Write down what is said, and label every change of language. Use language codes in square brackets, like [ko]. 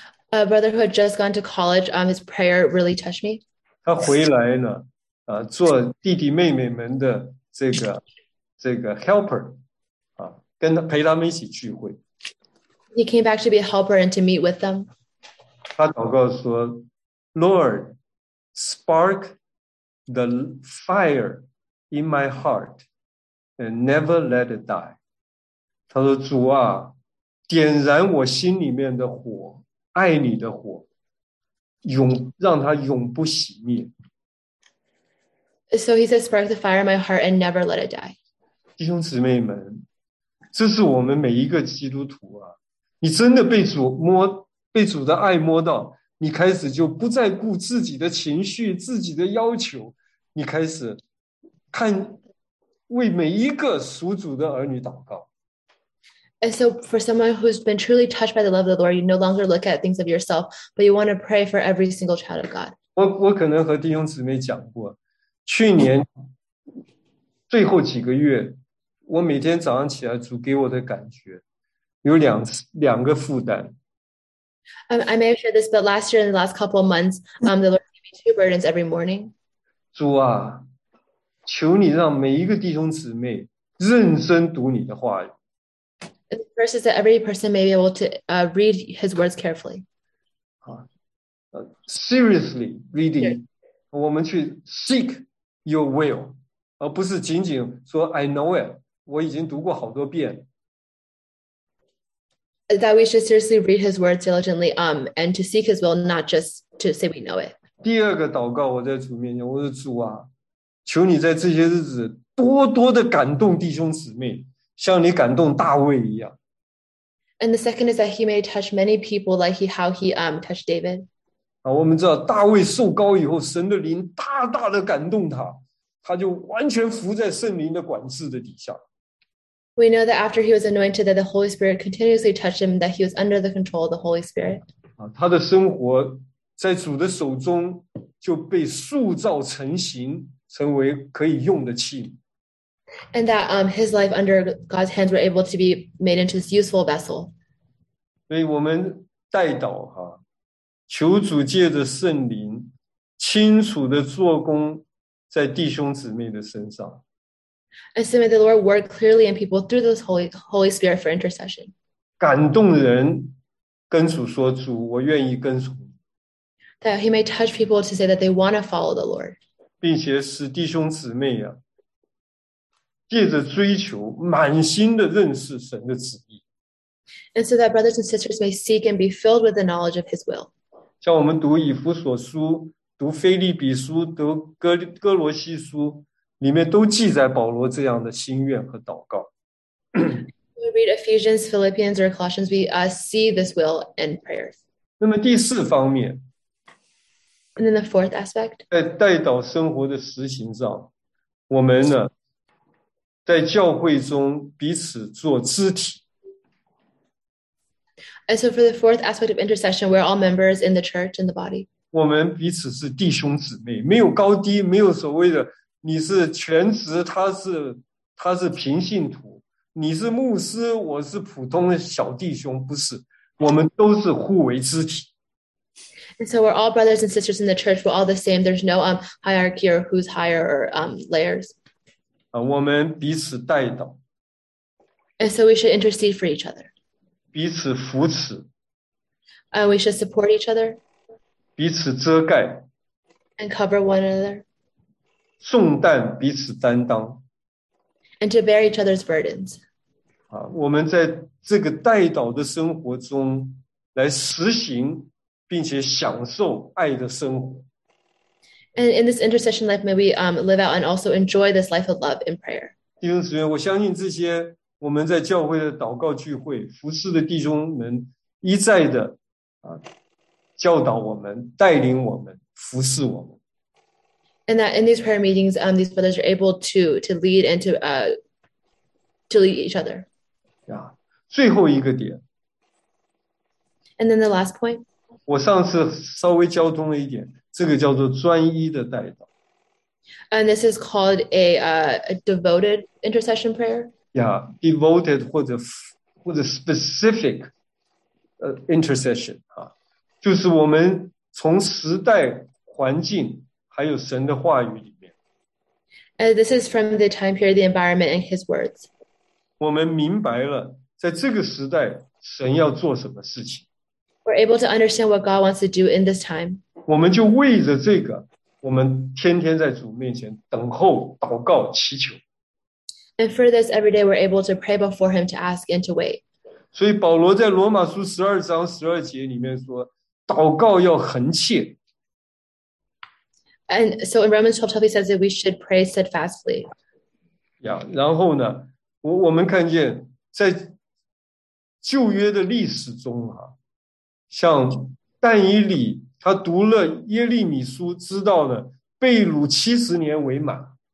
[en] A brother who had just gone to college, his prayer really touched me. [zh] 他回来呢，做弟弟妹妹们的这个 helper。跟他陪他们一起聚会。 [en] He came back to be a helper and to meet with them. [zh] 他祷告说 [en] ，Lord, spark the fire in my heart and never let it die. [zh] 他说主啊，点燃我心里面的火，爱你的火，让它永不熄灭。 [en] So he said, spark the fire in my heart and never let it die. [zh] 弟兄姊妹们。这是我们每一个基督徒啊，你真的被主摸，被主的爱摸到，你开始就不再顾自己的情绪，自己的要求，你开始看，为每一个属主的儿女祷告。 [en] And so for someone who's been truly touched by the love of the Lord, you no longer look at things of yourself, but you want to pray for every single child of God. [zh] 我可能和弟兄姊妹讲过，去年最后几个月我每天早上起来，主给我的感觉有两个负担。 [en] I may have shared this, but last year in the last couple of months, the Lord gave me two burdens every morning. [zh] 主啊，求你让每一个弟兄姊妹认真读你的话语。 [en] The first is that every person may be able to read his words carefully. Seriously reading,、yes. [zh] 我们去 [en] seek your will, [zh] 而不是仅仅说 [en] I know it. [zh] 我已经读过好多遍。 [en] That we should seriously read his words diligently, and to seek his will, not just to say we know it. [zh] 第二个祷告，我在主面前，我说主啊，求你在这些日子多多的感动弟兄姊妹，像你感动大卫一样。 [en] And the second is that he may touch many people like how he touched David. [zh] 我们知道大卫受膏以后，神的灵大大的感动他。他就完全服在圣灵的管制的底下。 [en] We know that after he was anointed, that the Holy Spirit continuously touched him, that he was under the control of the Holy Spirit. [zh] 他的生活在主的手中就被塑造成形，成为可以用的器。 [en] And that his life under God's hands were able to be made into this useful vessel. [zh] 所以我们代祷哈，求主借着圣灵清楚的做工。在弟兄姊妹的身上。 [en] And so may the Lord work clearly in people through this Holy Spirit for intercession. [zh] 感动人跟主说主我愿意跟从。 [en] That he may touch people to say that they want to follow the Lord. [zh] 并且使弟兄姊妹啊借着追求满心的认识神的旨意。 [en] And so that brothers and sisters may seek and be filled with the knowledge of his will. [zh] 像我们读以弗所书读腓立比书，读哥罗西书，里面都记载保罗这样的心愿和祷告。 [en] We read Ephesians, Philippians, or Colossians. We see this will and prayers. [zh] 那么第四方面 [en] ，And then the fourth aspect. [zh] 在代祷生活的实行上，我们呢，在教会中彼此做肢体。 [en] And so for the fourth aspect of intercession, we're all members in the church in the body. [zh] 我们彼此是弟兄姊妹，没有高低，没有所谓的你是全职，他是平信徒，你是牧师，我是普通的小弟兄，不是，我们都是互为肢体。 [en] And so we're all brothers and sisters in the church, we're all the same. There's no hierarchy or who's higher or layers. [zh] 我们彼此代祷。 [en] And so we should intercede for each other. [zh] 彼此扶持。 [en] And we should support each other. [zh] 彼此遮盖 [en] and cover one another, [zh] 重担彼此担当 [en] and to bear each other's burdens. [zh] 我们在这个代祷的生活中来实行并且享受爱的生活 [en] and in this intercession life, may we live out and also enjoy this life of love in prayer. [zh] 弟兄姊妹，我相信这些我们在教会的祷告聚会，服事的弟兄们一再的教导我们，带领我们，服事我们。 [en] And that in these prayer meetings, these brothers are able to lead and to lead each other. [zh] Yeah. 最后一个点。 [en] And then the last point. [zh] 我上次稍微交通了一点，这个叫做专一的代祷。 [en] And this is called a devoted intercession prayer. Yeah, devoted [zh] 或者 [en] specific intercession. [zh] 就是我们从时代环境还有神的话语里面。 [en] This is from the time period, the environment, and his words. [zh] 我们明白了在这个时代神要做什么事情。 [en] We're able to understand what God wants to do in this time. [zh] 我们就为着这个，我们天天在主面前等候、祷告、祈求。 [en] And for this, every day we're able to pray before him to ask and to wait. [zh] 所以保罗在罗马书十二章十二节里面说，祷告要恒切。 [en] And so in Romans 12, he says that we should pray steadfastly. [zh] Yeah, 然后呢，我们看见在旧约的历史中啊，像但以理他读了耶利米书，知道呢被掳七十年为满。